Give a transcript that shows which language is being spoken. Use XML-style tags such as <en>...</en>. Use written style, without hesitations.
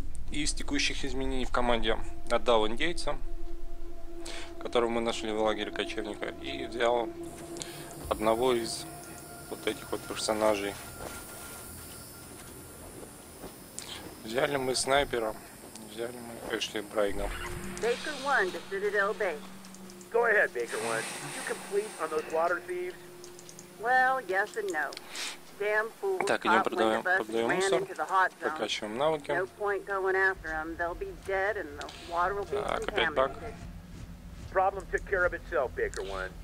<ru>Из текущих изменений в команде отдал индейца, которого мы нашли в лагере кочевника, и взял одного из вот этих вот персонажей. Взяли мы снайпера, взяли мы Эшли Брайга.</ru> <en>Baker 1 to Citadel Bay. Go ahead, Baker 1. Did you complete on those water thieves? Well, yes and no. Damn fools.</en> <ru>Так, идем продаем, продаем мусор, прокачиваем навыки.</ru> <en>No point going after them. They'll be dead and the water will be contaminated. Problem took care of itself, Baker 1.</en>